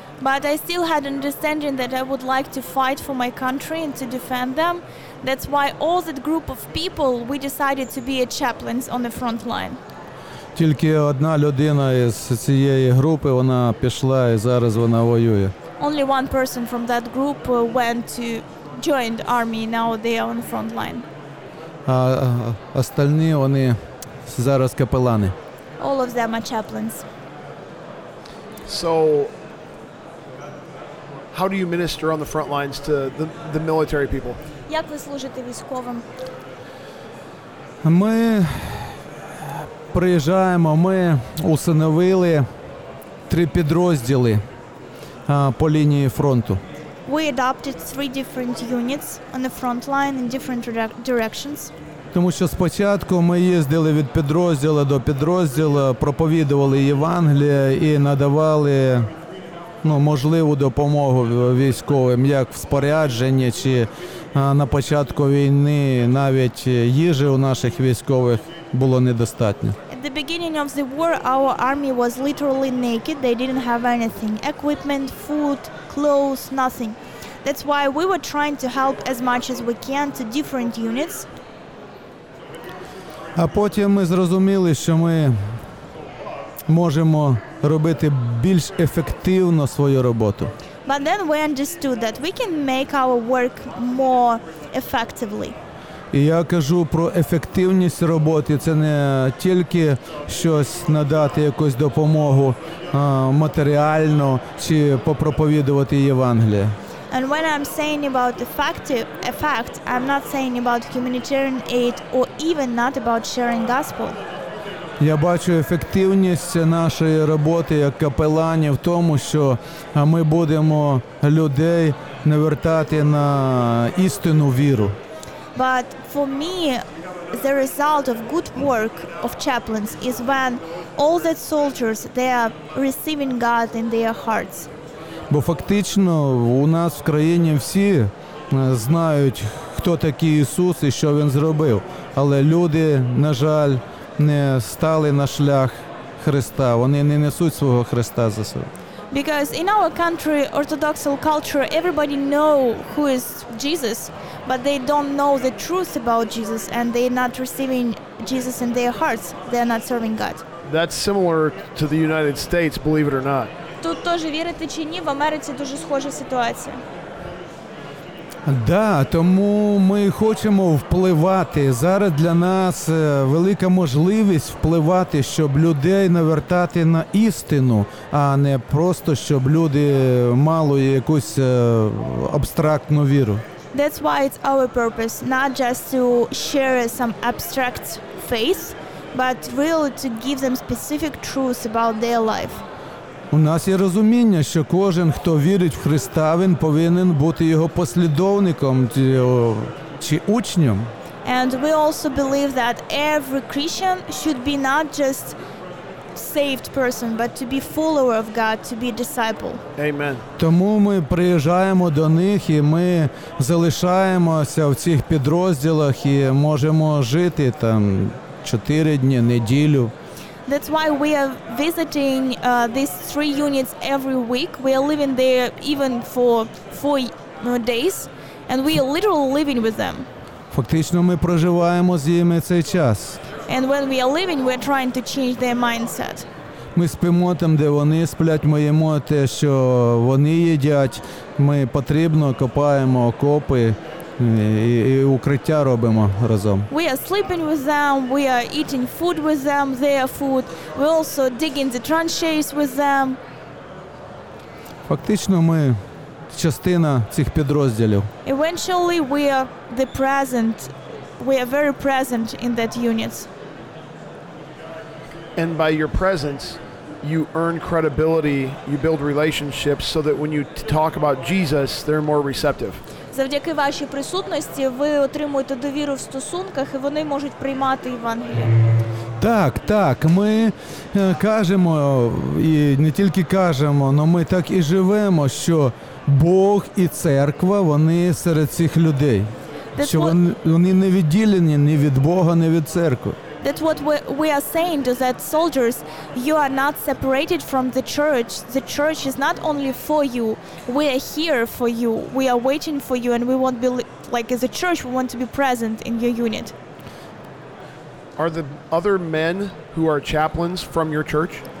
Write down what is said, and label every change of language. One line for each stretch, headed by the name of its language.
English: But I still had understanding that I would like to fight for my country and to defend them. That's why all that group of people, we decided to be a chaplains on the front line.
Ukrainian: Тільки одна людина із цієї групи, вона пішла і зараз вона воює.
English: Only one person from that group went to join the army, now they are on the front line.
Ukrainian: А остальні, вони зараз капелани.
English: All of them are chaplains. So, how do you minister on the front lines to the military people?
Ukrainian: Як ви служите військовим? Ми приїжджаємо, ми усиновили три підрозділи по лінії фронту.
English: We adopted three different units on the front line in different directions.
Ukrainian: Тому що спочатку ми їздили від підрозділу до підрозділу, проповідували Євангеліє і надавали можливу допомогу військовим, як в спорядженні чи на початку війни, навіть їжі у наших військових було недостатньо.
English: At the beginning of the war, our army was literally naked. They didn't have anything. Equipment, food, clothes, nothing. That's why we were trying to help as much as we can to different units.
Ukrainian: А потім ми зрозуміли, що ми можемо робити більш ефективно свою роботу.
English: But then we understood that we can make our work more effectively.
Ukrainian: І я кажу про ефективність роботи. Це не тільки щось надати якусь допомогу матеріально чи попроповідувати Євангеліє.
English: And when I'm saying about effect, I'm not saying about humanitarian aid or even not about sharing gospel.
Ukrainian: Я бачу ефективність нашої роботи як капелані в тому, що ми будемо людей навертати на істинну віру.
English: But for me, the result of good work of chaplains is when all the soldiers, they are receiving God in their hearts.
Ukrainian: Бо фактично у нас в країні всі знають, хто такий Ісус і що Він зробив. Але люди, на жаль, не стали на шлях Христа. Вони не несуть свого Христа за собою.
English: Because in our country, Orthodox culture, everybody know who is Jesus, but they don't know the truth about Jesus, and they're not receiving Jesus in their hearts. They're not serving God. That's similar to the United States, believe it or not.
Ukrainian: Тут теж, вірити чи ні, в Америці дуже схожа ситуація. Да, тому ми хочемо впливати. Зараз для нас велика можливість впливати, щоб людей навертати на істину, а не просто, щоб люди мали якусь абстрактну віру.
English: That's why it's our purpose, not just to share some abstract faith, but really to give them specific truths about their life.
Ukrainian: У нас є розуміння, що кожен, хто вірить в Христа, він повинен бути його послідовником чи учнем.
English: And we also believe that every Christian should be not just saved person, but to be follower of God, to be disciple. Amen.
Ukrainian: Тому ми приїжджаємо до них і ми залишаємося в цих підрозділах і можемо жити там 4 дні, неділю.
English: That's why we are visiting these three units every week. We are living there even for 4 days, and we are literally living with them.
Ukrainian: Фактично ми проживаємо з ними цей час.
English: And when we are living, we are trying to change their mindset.
Ukrainian: Ми спимо там, де вони сплять, ми їмо те, що вони їдять. Ми потрібно копаємо окопи. І укриття робимо разом.
English: We are sleeping with them, we are eating food with them, their food. We also digging the trenches with them.
Ukrainian: Фактично ми частина цих підрозділів.
English: Eventually we are the present. We are very present in that units. And by your presence, you earn credibility, you build relationships so that when you talk about Jesus, they're more receptive.
Ukrainian: Завдяки вашій присутності ви отримуєте довіру в стосунках, і вони можуть приймати Євангеліє. Так, так, ми кажемо, і не тільки кажемо, але ми так і живемо, що Бог і церква, вони серед цих людей.
English: That's
Ukrainian: що вони не відділені ні від Бога, ні від церкви.
English: That's what we are saying to that soldiers. You are not separated from the church. The church is not only for you. We are here for you. We are waiting for you, and we want to be, like, as a church, we want to be present in your unit. Are the other men who are chaplains from your church?